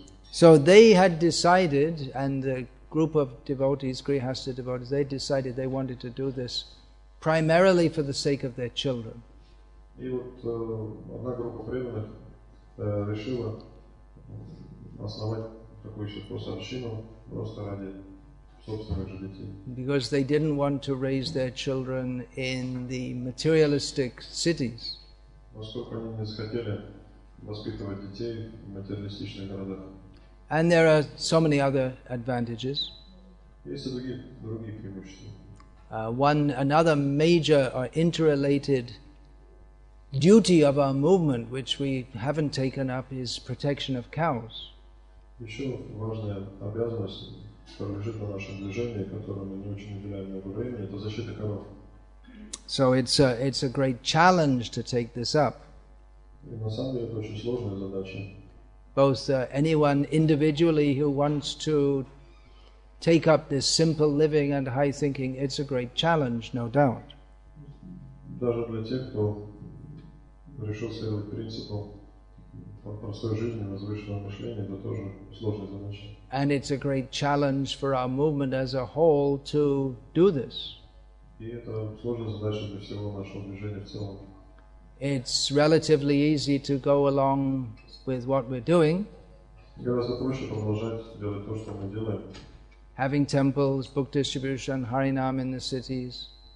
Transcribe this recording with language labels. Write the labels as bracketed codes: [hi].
[en] So they had decided, and the group of devotees, Grihastha devotees, they decided they wanted to do this primarily for the sake of their children. [ru] И вот одна группа преданных решила основать такую сельскохозяйственную общину просто ради собственных же детей. [en] Because they didn't want to raise their children in the materialistic cities. [ru] Поскольку они не захотели воспитывать детей в материалистичных городах. [en] And there are so many other advantages. [ru] Есть и другие преимущества. [en] Another major or interrelated duty of our movement, which we haven't taken up, is protection of cows. [ru] Еще важная обязанность, которая лежит на нашем движении, которому мы не очень уделяем много времени, это защита коров. [en] So it's a great challenge to take this up. [ru] И на самом деле это очень сложная задача. [en] Both anyone individually who wants to take up this simple living and high thinking, it's a great challenge, no doubt. [ru] Даже для тех, кто решил следовать принципу простой жизни, возвышенного мышления, это тоже сложная задача. [en] And it's a great challenge for our movement as a whole to do this. [ru] И это сложная задача для всего нашего движения в целом. [en] It's relatively easy to go along with what we're doing. [ru] Гораздо проще продолжать делать то, что мы делаем. [en] Having temples, book distribution, Harinam in the cities.